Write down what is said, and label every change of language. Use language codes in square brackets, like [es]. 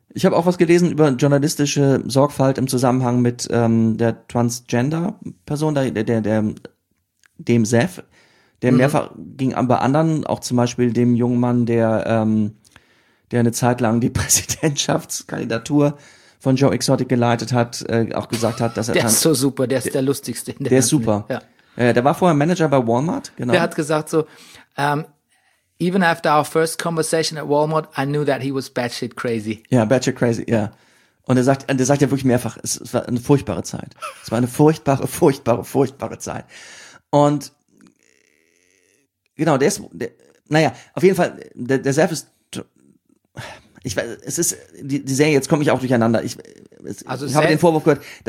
[de] Ich habe auch was gelesen über journalistische Sorgfalt im Zusammenhang mit der Transgender-Person, dem Seth, der mehrfach ging bei anderen, auch zum Beispiel dem jungen Mann, der eine Zeit lang die Präsidentschaftskandidatur von Joe Exotic geleitet hat, auch gesagt hat, dass er... Der ist so super, der ist der lustigste. Der ist super. Ja. Der war vorher Manager bei Walmart, genau. Der hat gesagt so, [en] even after our first conversation at Walmart, I knew that he was batshit crazy. [de] Ja, batshit crazy, ja. Und er sagt ja wirklich mehrfach, es war eine furchtbare Zeit. Es war eine furchtbare, furchtbare, furchtbare Zeit. Und genau, auf jeden Fall, der Self ist... Ich weiß, es ist, die Serie, jetzt komme ich auch durcheinander. Ich habe den Vorwurf gehört,